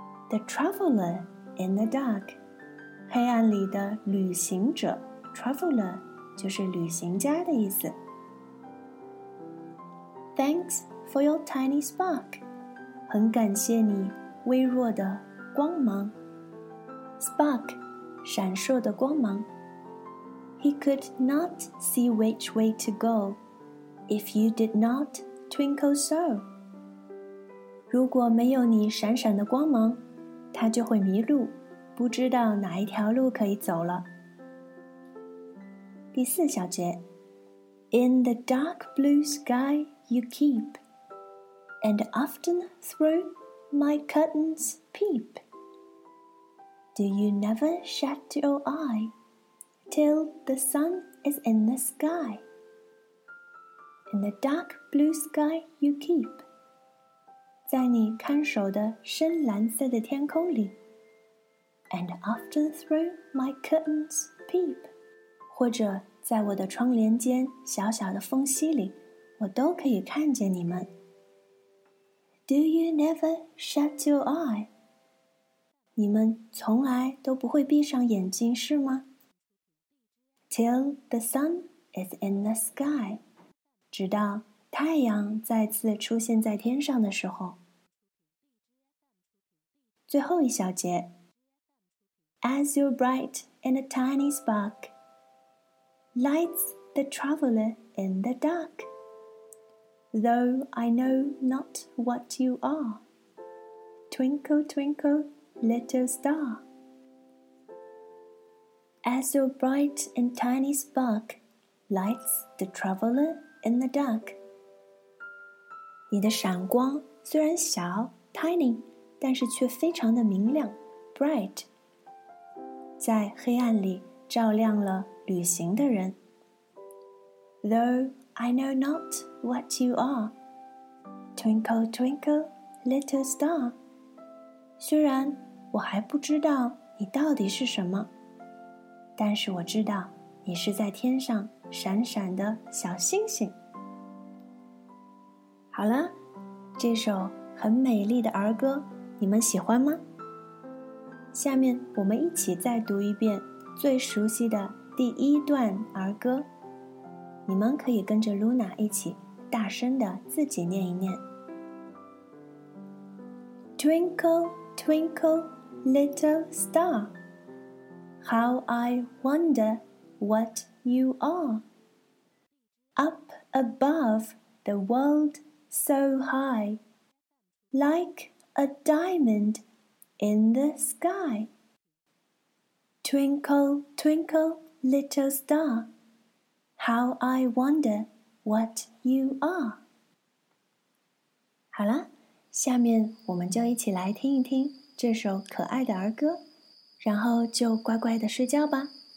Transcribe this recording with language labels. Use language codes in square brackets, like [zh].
[en] The traveler in the dark [zh] 黑暗里的旅行者 Traveler 就是旅行家的意思 [en] ThanksFor your tiny spark, [zh] 很感谢你微弱的光芒。 [en] Spark, [zh] 闪烁的光芒。 [en] He could not see which way to go, if you did not twinkle so. [zh] 如果没有你闪闪的光芒，他就会迷路，不知道哪一条路可以走了。第四小节。 [en] In the dark blue sky you keep,And often through my curtains peep. Do you never shut your eye till the sun is in the sky? In the dark blue sky you keep. [zh] 在你看守的深蓝色的天空里。 [en] And often through my curtains peep. [zh] 或者在我的窗帘间小小的缝隙里，我都可以看见你们。 [en] Do you never shut your eye? [zh] 你们从来都不会闭上眼睛是吗？ [en] Till the sun is in the sky. [zh] 直到太阳再次出现在天上的时候。最后一小节。 [en] As you're bright in a tiny spark, lights the traveler in the dark. Though I know not what you are, twinkle, twinkle, little star. As your bright and tiny spark lights the traveler in the dark. [zh] 你的闪光虽然小 tiny, 但是却非常的明亮 bright. 在黑暗里照亮了旅行的人。 Though I know not what you are, twinkle, twinkle, little star. 虽然我还不知道你到底是什么，但是我知道你是在天上闪闪的小星星。好了，这首很美丽的儿歌，你们喜欢吗？下面我们一起再读一遍最熟悉的第一段儿歌，你们可以跟着 Luna 一起大声地自己念一念。 [en] Twinkle, twinkle, little star, How I wonder what you are. Up above the world so high, Like a diamondIn the sky. Twinkle, twinkle, little star, How I wonder what you are. [zh] 好了，下面我们就一起来听一听这首可爱的儿歌，然后就乖乖的睡觉吧。